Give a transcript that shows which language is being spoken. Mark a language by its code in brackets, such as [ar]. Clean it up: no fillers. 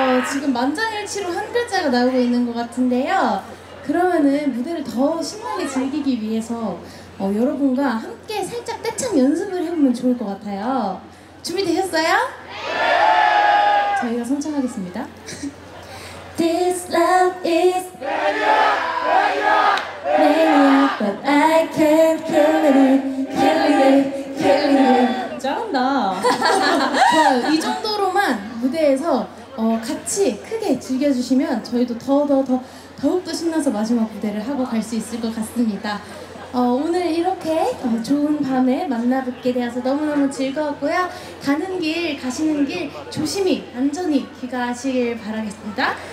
[ko] 지금 만장일치로 한 글자가 나오고 있는 것 같은데요. 그러면은 무대를 더 신나게 즐기기 위해서 여러분과 함께 살짝 떼창 연습을 해보면 좋을 것 같아요. 준비되셨어요? 저희가 성장하겠습니다. [en] This love is mania, mania, but I can't kill it, kill it, kill it. [ko] 짱한다. 이 정도로만 무대에서 같이 크게 즐겨주시면 저희도 더욱더 신나서 마지막 무대를 하고 갈 수 있을 것 같습니다. 오늘 이렇게 좋은 밤에 만나뵙게 되어서 너무너무 즐거웠고요. 가는 길, 가시는 길 조심히, 안전히 귀가하시길 바라겠습니다.